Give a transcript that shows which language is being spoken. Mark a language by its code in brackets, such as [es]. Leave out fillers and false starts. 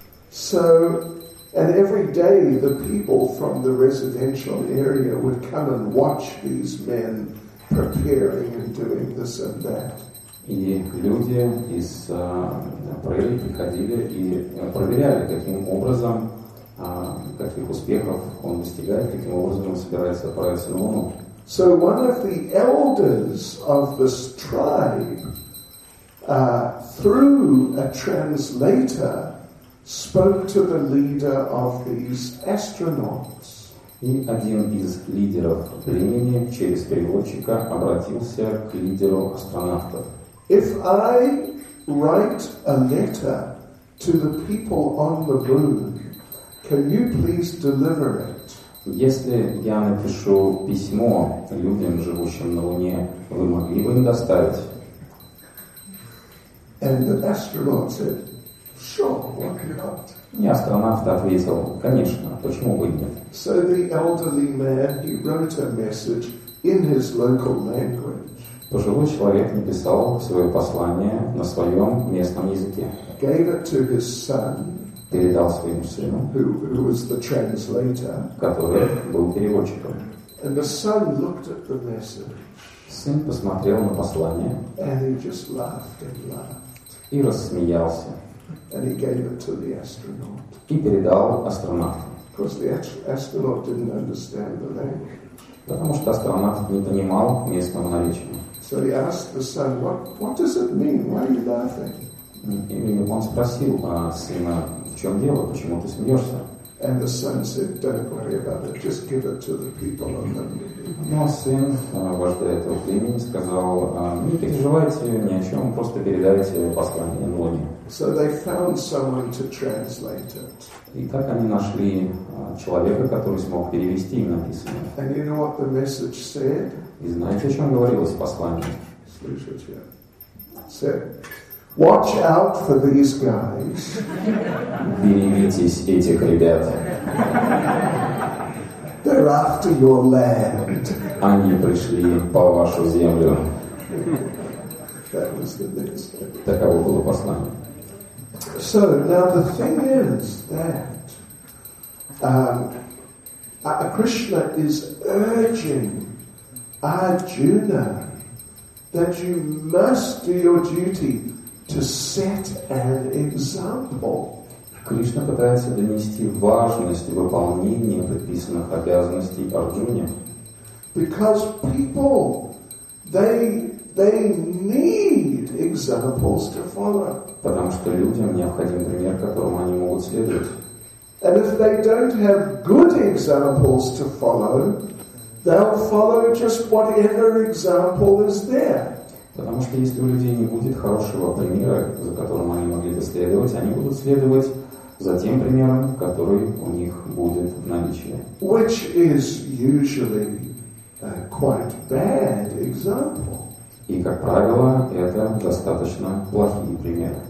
[en] So, and every day the people from the residential area would come and watch these men preparing and doing this and that. [ru] И люди из прерий приходили и проверяли, каким образом каких успехов он достигает, каким образом он собирается отправиться на Луну. [en] So one of the elders of this tribe, through a translator, spoke to the leader of these astronauts. [ru] И один из лидеров племени через переводчика обратился к лидеру астронавтов. [en] If I write a letter to the people on the moon, can you please deliver it? [ru] Если я напишу письмо людям, живущим на Луне, вы могли бы им доставить? [en] And the astronaut said, sure, why not? [ru] И астронавт ответил, конечно, почему бы нет? [en] So the elderly man, he wrote a message in his local language. [ru] Пожилой человек написал свое послание на своем местном языке. [en] Gave it to his son. [ru] Передал своему сыну, [en] who was the translator, [ru] который был переводчиком. [en] And the son looked at the message, [ru] сын посмотрел на послание [en] and he just laughed and laughed. [ru] И рассмеялся. [en] And he gave it to the astronaut. [ru] И передал астронавту. [en] Because the astronaut didn't understand the language. [ru] Потому что астронавт не понимал местного наречия. [en] So he asked the son, what does it mean? Why are you laughing? [ru] И он спросил сына, в чем дело? Почему ты смеешься? [en] And the son said, "Don't worry about it. Just give it to the people on the moon." [ru] Но сын, вождя этого племени, сказал: "Не переживайте ни о чем. Просто передайте послание на Луне." [en] So they found someone to translate it. [ru] И так они нашли человека, который смог перевести им написанное. [en] And you know what the message said? [ru] И знаете, о чем говорилось в послании? Слышите? [en] said, "Watch out for these guys." [ru] Берегитесь этих ребят. [en] They're after your land. [ru] Они пришли по вашу землю. [en] That was the message. [ru] Таково было послание. [en] So now the thing is that Krishna is urging Arjuna that you must do your duty to set an example. [ru] Кришна пытается донести важность выполнения предписанных обязанностей Арджуне. [en] Because people, they need examples to follow. [ru] Потому что людям необходим пример, которому они могут следовать. [en] And if they don't have good examples to follow, they'll follow just whatever example is there. [ru] Потому что если у людей не будет хорошего примера, за которым они могли бы следовать, они будут следовать за тем примером, который у них будет в наличии. [en] Which is usually a quite bad example. [ru] И, как правило, это достаточно плохие примеры.